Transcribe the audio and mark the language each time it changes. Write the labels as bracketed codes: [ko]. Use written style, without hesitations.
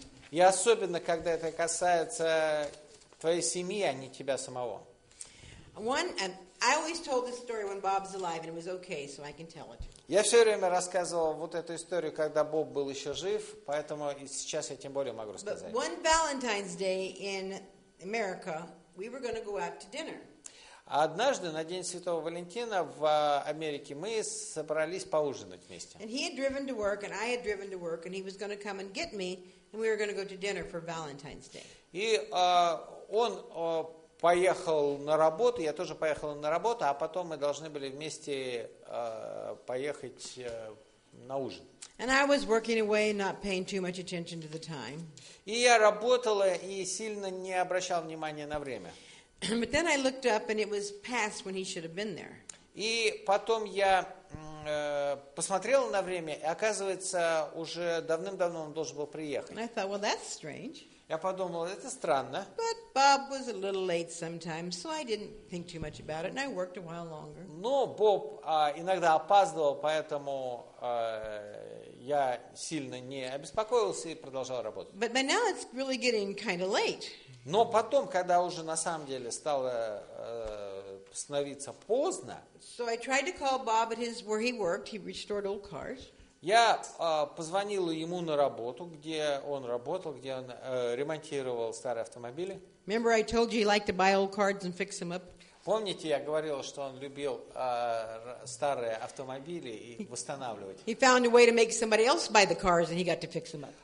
[ru] И особенно, когда это касается твоей семьи, а не тебя самого. Я все время рассказывал вот эту историю, когда Боб был еще жив, поэтому и сейчас я тем более могу рассказать. [en] But one Valentine's Day in America, we were going to go out to dinner. [ru] Однажды на День Святого Валентина в Америке мы собрались поужинать вместе. [en] And he had driven to work, and I had driven to work, and he was going to come and get me, and we were going to go to dinner for Valentine's Day. [ru] И он поехал на работу, я тоже поехал на работу, а потом мы должны были вместе поехать на ужин. [en] And I was working away, not paying too much attention to the time. [ru] И я работала и сильно не обращал внимания на время. [en] But then I looked up, and it was past when he should have been there. [ru] И потом я посмотрел на время, и оказывается, уже давным-давно он должен был приехать. [en] And I thought, well, that's strange. [ru] Я подумал, это странно. [en] But Bob was a little late sometimes, so I didn't think too much about it, and I worked a while longer. [ru] Но Боб иногда опаздывал, поэтому я сильно не обеспокоился и продолжал работать. [en] But by now it's really getting kind of late. [ru] Но потом, когда уже на самом деле стало становиться поздно, [en] so I tried to call Bob at his where he worked. He restored old cars. [ru] Я позвонил ему на работу, где он работал, где он ремонтировал старые автомобили. [en] Remember, I told you he liked to buy old cars and fix them up. [ru] Помните, я говорил, что он любил старые автомобили и восстанавливать. [en] He found a way to make somebody else buy the cars, and he got to fix them up.